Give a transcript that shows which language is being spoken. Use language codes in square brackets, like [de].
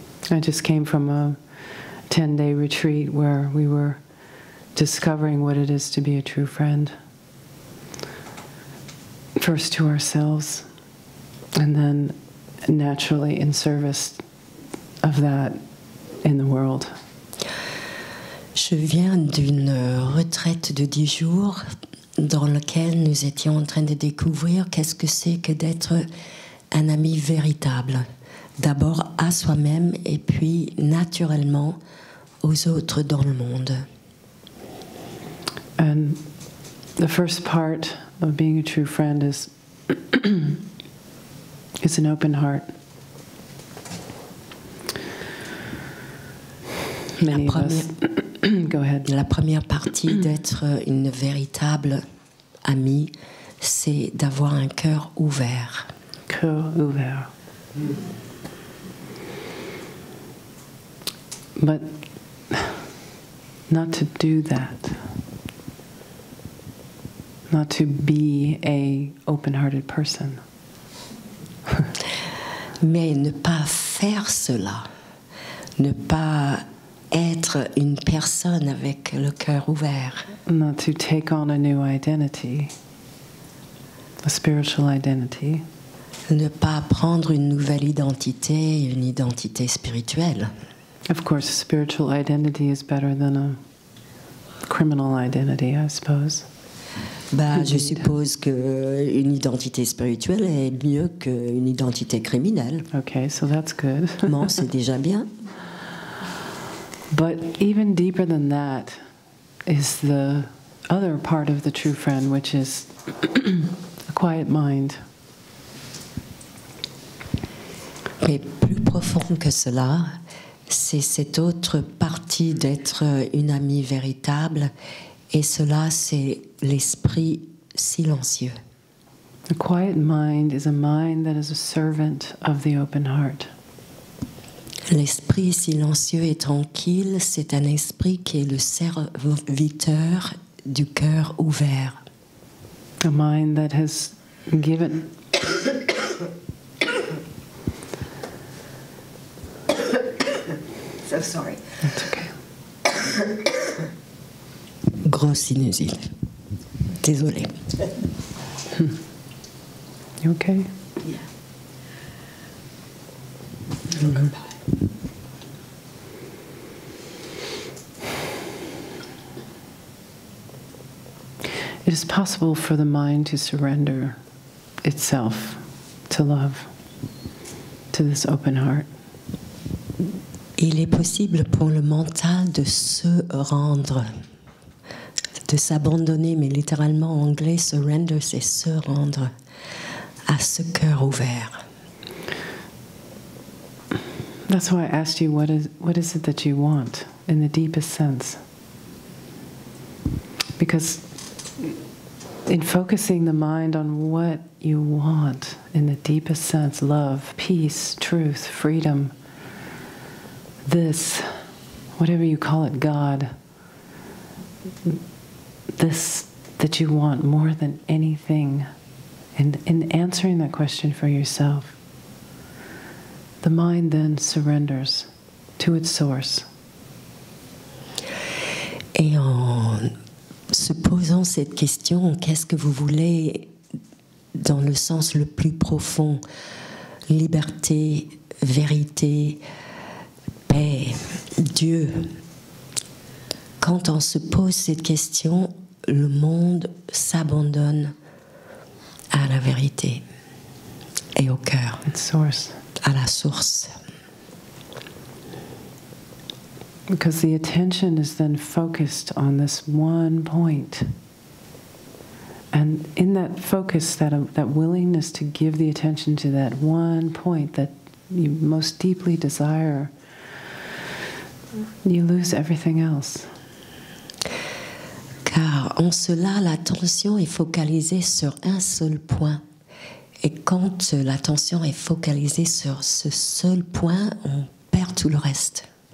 [en] I just came from a 10-day retreat where we were discovering what it is to be a true friend. First to ourselves, and then naturally in service of that in the world. [fr] Je viens d'une retraite de 10 jours dans laquelle nous étions en train de découvrir qu'est-ce que c'est que d'être un ami véritable, d'abord à soi-même et puis naturellement aux autres dans le monde. [en] And the first part of being a true friend is it's an open heart. Many of us. Go ahead. [fr] La première partie d'être une véritable amie, c'est d'avoir un cœur ouvert. Cœur ouvert. [en] But not to do that. Not to be a open-hearted person. [fr] Mais ne pas faire cela. Ne pas être une personne avec le cœur ouvert. [en] Not to take on a new identity, a spiritual identity. [fr] Ne pas prendre une nouvelle identité, une identité spirituelle. [en] Of course, a spiritual identity is better than a criminal identity, I suppose. [fr] Je suppose qu'une identité spirituelle est mieux qu'une identité criminelle. [en] Okay, so that's good. [fr] Bon, c'est déjà bien. [en] But even deeper than that is the other part of the true friend, which is a quiet mind. [fr] Mais plus profond que cela, c'est cette autre partie d'être une amie véritable, et cela, c'est l'esprit silencieux. [en] A quiet mind is a mind that is a servant of the open heart. [fr] L'esprit silencieux et tranquille, c'est un esprit qui est le serviteur du cœur ouvert. [en] A mind that has given so sorry. That's okay. [fr] Gros sinusite. Désolé. [en] You okay? Yeah. It is possible for the mind to surrender itself to love. to this open heart. [fr] Il est possible pour le mental de se rendre, de s'abandonner, mais littéralement en anglais, surrender, c'est se rendre à ce cœur ouvert. [en] That's why I asked you, what is it that you want in the deepest sense? Because in focusing the mind on what you want in the deepest sense, love, peace, truth, freedom, this, whatever you call it, God, this that you want more than anything, and in answering that question for yourself, the mind then surrenders to its source. [fr] Et en se posant cette question, qu'est-ce que vous voulez dans le sens le plus profond, liberté, vérité, paix, Dieu. Quand on se pose cette question, le monde s'abandonne à la vérité et au cœur, à la source. [en] Because the attention is then focused on this one point. And in that focus, that willingness to give the attention to that one point that you most deeply desire, you lose everything else. [fr] Car en cela, l'attention est focalisée sur un seul point. Et quand l'attention est focalisée sur ce seul point, on perd tout le reste.